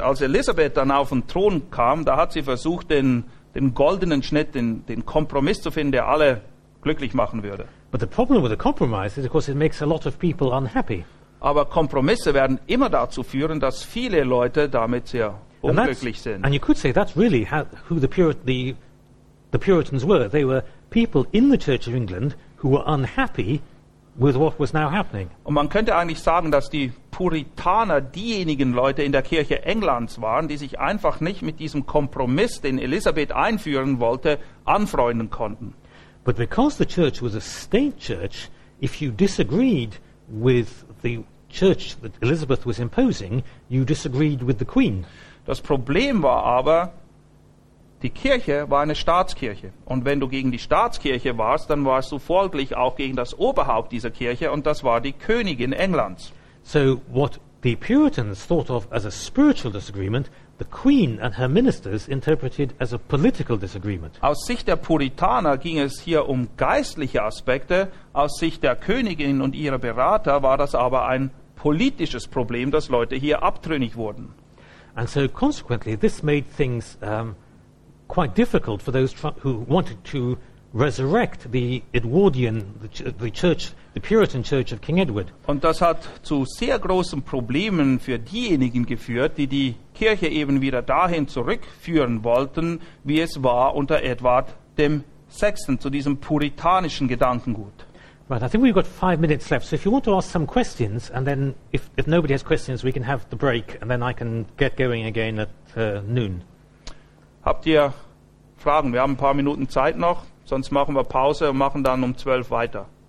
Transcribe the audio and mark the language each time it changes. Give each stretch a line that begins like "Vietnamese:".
German: Als Elizabeth dann auf den Thron kam, da hat sie versucht, den goldenen Schnitt, den Kompromiss zu finden, der alle glücklich machen würde.
English: But the problem with a compromise is, of course, it makes a lot of people unhappy.
German: Aber Kompromisse werden immer dazu führen, dass viele Leute damit sehr unglücklich sind.
English: And you could say that's really who the Puritans were. They were people in the Church of England who were unhappy with what was now happening.
German: Und man könnte eigentlich sagen, dass die Puritaner diejenigen Leute in der Kirche Englands waren, die sich einfach nicht mit diesem Kompromiss, den Elisabeth einführen wollte, anfreunden konnten.
English: But because the church was a state church, if you disagreed with the church that Elizabeth was imposing, you disagreed with the Queen.
German: Das Problem war aber, die Kirche war eine Staatskirche. Und wenn du gegen die Staatskirche warst, dann warst du folglich auch gegen das Oberhaupt dieser Kirche, und das war die Königin Englands.
English: So what the Puritans thought of as a spiritual disagreement, the Queen and her ministers interpreted as a political disagreement.
German: Aus Sicht der Puritaner ging es hier um geistliche Aspekte, aus Sicht der Königin und ihrer Berater war das aber ein politisches Problem, dass Leute hier abtrünnig wurden.
English: And so consequently this made things quite difficult for those who wanted to resurrect the Edwardian, the church, the Puritan church of King Edward.
German: Und das hat zu sehr großen Problemen für diejenigen geführt, die die Kirche eben wieder dahin zurückführen wollten, wie es war unter Edward dem VI, zu diesem puritanischen Gedankengut.
English: Right, I think we've got 5 minutes left. So if you want to ask some questions, and then if nobody has questions, we can have the break, and then I can get going again at noon.
German: Habt ihr Fragen? Wir haben ein paar Minuten Zeit noch, sonst machen wir Pause und machen dann um 12 weiter.